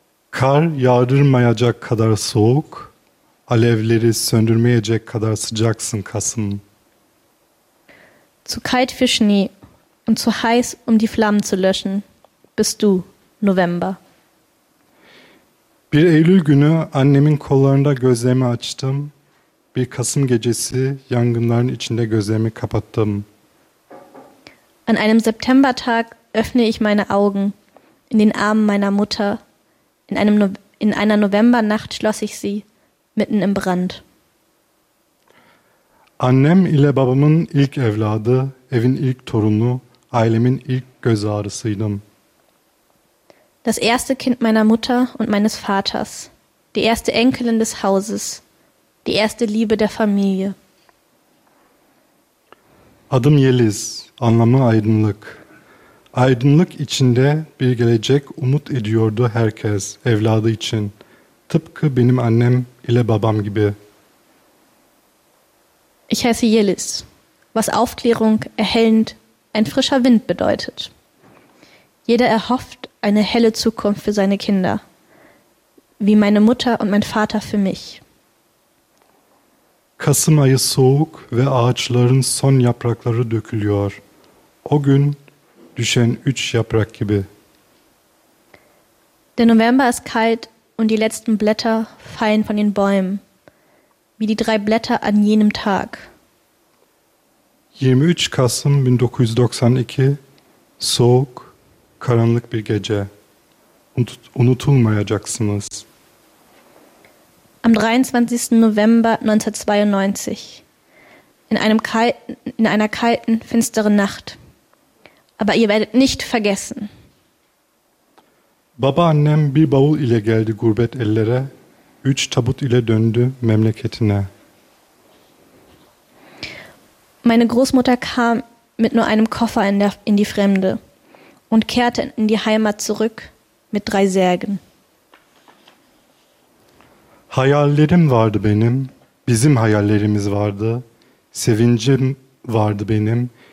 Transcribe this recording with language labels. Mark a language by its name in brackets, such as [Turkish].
[Turkish] Kar yağdırmayacak kadar soğuk, alevleri söndürmeyecek kadar sıcaksın Kasım. [German] Zu kalt für Schnee und zu heiß, um die Flammen zu löschen, bist du, November. [Turkish] Bir Eylül günü annemin kollarında gözlerimi açtım. Bir Kasım gecesi yangınların içinde gözlerimi kapattım. [German] An einem Septembertag öffne ich meine Augen in den Armen meiner Mutter. In einer Novembernacht schloss ich sie mitten im Brand. [Turkish] Annem ile babamın ilk evladı, evin ilk torunu, ailemin ilk göz ağrısıydım. [German] Das erste Kind meiner Mutter und meines Vaters, die erste Enkelin des Hauses, die erste Liebe der Familie. [Turkish] Adım Yeliz, anlamı aydınlık. Aydınlık içinde bir gelecek umut ediyordu herkes evladı için. Tıpkı benim annem ile babam gibi. [German] Ich heiße Yeliz, was Aufklärung, erhellend, ein frischer Wind bedeutet. Jeder erhofft eine helle Zukunft für seine Kinder, wie meine Mutter und mein Vater für mich. [Turkish] Kasım ayı soğuk ve ağaçların son yaprakları dökülüyor. O gün düşen üç yaprak gibi. [German] Der November ist kalt und die letzten Blätter fallen von den Bäumen, wie die drei Blätter an jenem Tag. [Turkish] 23 Kasım 1992, soğuk, karanlık bir gece. Unutulmayacaksınız. [German] Am 23. November 1992, in einer kalten, finsteren Nacht. Aber ihr werdet nicht vergessen. [Turkish] Babaannem bir bavul ile geldi gurbet ellere, üç tabut ile döndü memleketine. [German] Meine Großmutter kam mit nur einem Koffer in die Fremde und kehrte in die Heimat zurück mit drei Särgen. [Turkish] Hayallerim vardı benim, bizim hayallerimiz vardı, sevincim vardı benim.